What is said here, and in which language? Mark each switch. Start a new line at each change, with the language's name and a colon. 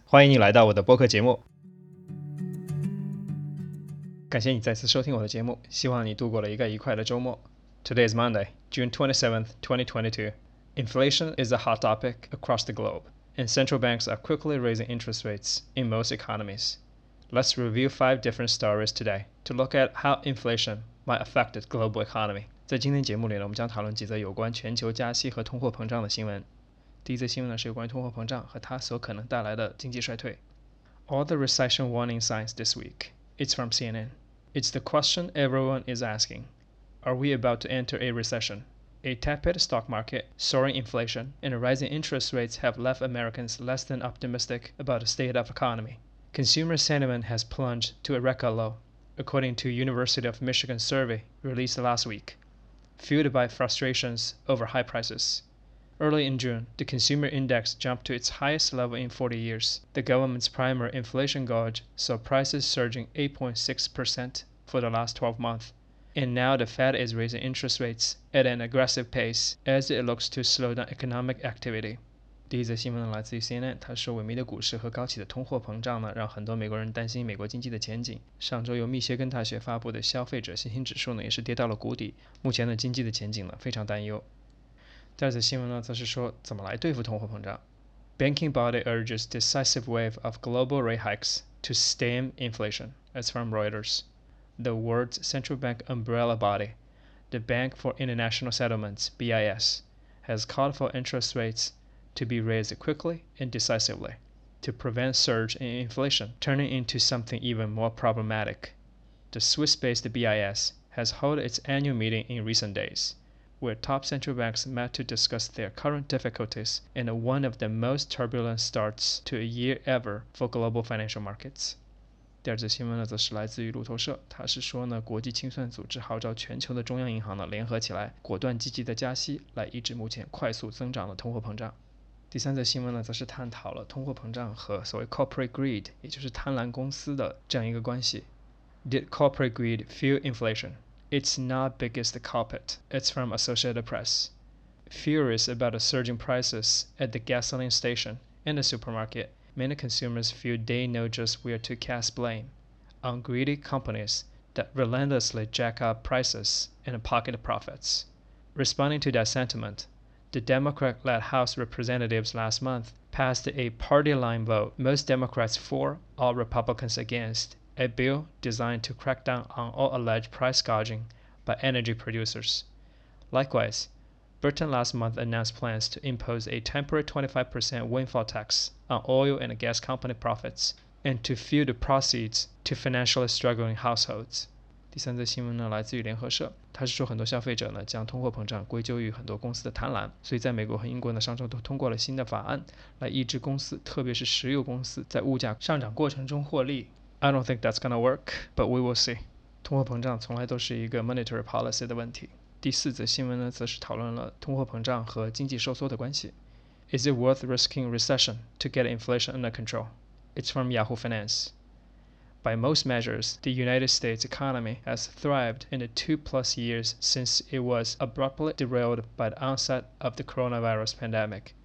Chinese: 欢迎你来到我的播客节目。感谢你再次收听我的节目，希望你度过了一个愉快的周末。
English: Today is Monday, June 27th, 2022. Inflation is a hot topic across the globe, and central banks are quickly raising interest rates in most economies. Let's review five different stories today to look at how inflation might affect the global economy.
Chinese: 在今天节目里呢，我们将讨论几则有关全球加息和通货膨胀的新闻。第一则新闻呢，是有关于通货膨胀和它所可能带来的经济衰退。
English: All the recession warning signs this week. It's from CNN. It's the question everyone is asking. Are we about to enter a recession? A tepid stock market, soaring inflation, and rising interest rates have left Americans less than optimistic about the state of economy. Consumer sentiment has plunged to a record low, according to University of Michigan survey released last week, fueled by frustrations over high prices. Early in June, the consumer index jumped to its highest level in 40 years. The government's primary inflation gauge saw prices surging 8.6% for the last 12 months. And now the Fed is raising interest rates at an aggressive pace as it looks to slow down economic activity.
Chinese: 第一则新闻来自于 CNN, 它说萎靡的股市和高企的通货膨胀呢，让很多美国人担心美国经济的前景。上周由密歇根大学发布的消费者信心指数呢，也是跌到了谷底。目前的经济的前景呢，非常担忧。第二则新闻呢，则是说怎么来对付通货膨胀。
English: Banking body urges decisive wave of global rate hikes to stem inflation. That's from Reuters. The world's central bank umbrella body, the Bank for International Settlements, BIS, has called for interest rates to be raised quickly and decisively to prevent surge in inflation turning into something even more problematic. The Swiss-based BIS has held its annual meeting in recent days. Where top central banks met to discuss their current difficulties in one of the most turbulent starts to a year ever for global financial markets.
Chinese: 第二则新闻呢，则是来自于路透社，它是说呢，国际清算组织号召全球的中央银行呢联合起来，果断积极的加息，来抑制目前快速增长的通货膨胀。第三则新闻呢，则是探讨了通货膨胀和所谓 corporate greed， 也就是贪婪公司的这样一个关系。
English: Did corporate greed fuel inflation? It's not biggest culprit. It's from Associated Press. Furious about the surging prices at the gasoline station and the supermarket, many consumers feel they know just where to cast blame on greedy companies that relentlessly jack up prices and pocket profits. Responding to that sentiment, the Democrat-led House representatives last month passed a party-line vote, most Democrats for, all Republicans against,a bill designed to crack down on all alleged price gouging by energy producers. Likewise, Britain last month announced plans to impose a temporary 25% windfall tax on oil and gas company profits and to fuel the proceeds to financially struggling households.
Chinese: 第三则新闻呢，来自于联合社，它是说很多消费者呢将通货膨胀归咎于很多公司的贪婪，所以在美国和英国呢上周都通过了新的法案来抑制公司，特别是石油公司在物价上涨过程中获利。
English: I don't think that's gonna work, but we will see.
Chinese: 通货膨胀从来都是一个 monetary policy 的问题。第四则新闻呢，则是讨论了通货膨胀和经济收缩的关系。
English: Is it worth risking recession to get inflation under control? It's from Yahoo Finance. By most measures, the United States economy has thrived in the 2+ years since it was abruptly derailed by the onset of the coronavirus pandemic.